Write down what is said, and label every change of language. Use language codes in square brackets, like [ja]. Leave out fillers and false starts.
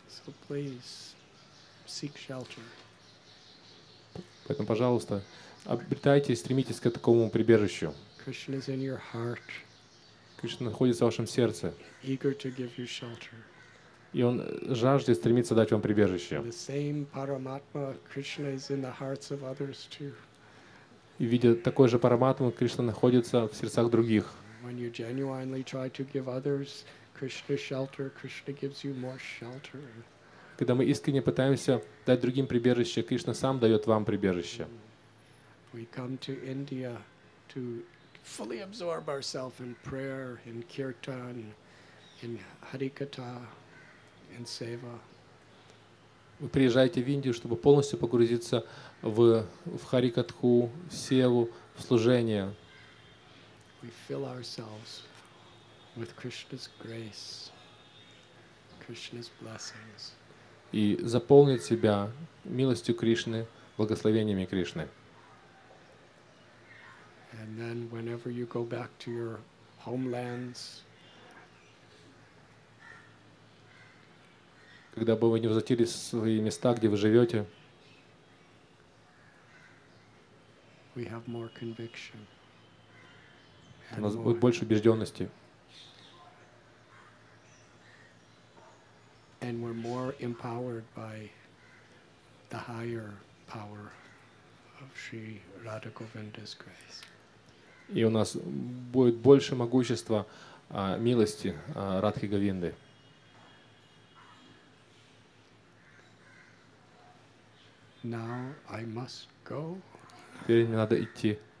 [en] So please, seek shelter. [ru] Поэтому, пожалуйста, обретайте и стремитесь к такому прибежищу. [en] Krishna is in your heart. [ru] Кришна находится в вашем сердце. [en] Eager to give you shelter. [ru] И он жаждет, стремится дать вам прибежище. [en] The same Paramatma Krishna is in the hearts of others too. [ru] И видя такой же Параматму, Кришна находится в сердцах других. [en] When you genuinely try to give others Krishna shelter, Krishna gives you more shelter. [ru] Когда мы искренне пытаемся дать другим прибежище, Кришна сам дает вам прибежище. [en] We come to India to fully absorb ourselves in prayer, in kirtan, in harikatha, in seva. [ru] Вы приезжаете в Индию, чтобы полностью погрузиться в харикатху, в севу, в служение. [en] We fill ourselves with Krishna's grace, Krishna's blessings. [ru] И заполнить себя милостью Кришны, благословениями Кришны. [en] And then whenever you go back to your homelands, [ru] когда бы вы не возвратились в свои места, где вы живете, [en] we have more conviction. [ru] У нас будет больше убежденности. [en] And we're more empowered by the higher power of Sri Radha Govinda's grace. [ru] И у нас будет больше могущества милости Радхи Говинды. [en] Now I must go. [ru] Теперь мне надо идти.